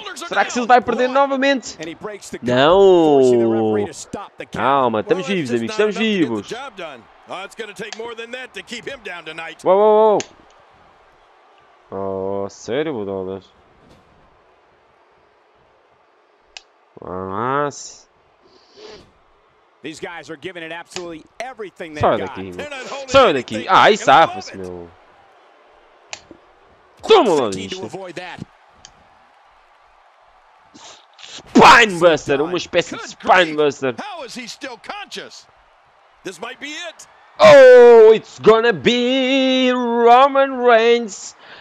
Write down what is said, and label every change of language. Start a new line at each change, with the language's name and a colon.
Portuguese: Será que Seals vai perder novamente? Não! Calma, estamos vivos, amigos, estamos vivos.
English: It's gonna take more than that to keep him down tonight.
Portuguese: Whoa. Oh, sério, Budolas? Mas...
English: These guys are giving it absolutely everything they got.
Portuguese: Sai daqui. Ah, aí safa-se, meu. Toma lá disto. Spinebuster, uma espécie de Spinebuster.
English: How is he still conscious? This might be it. Oh, it's gonna be Roman Reigns.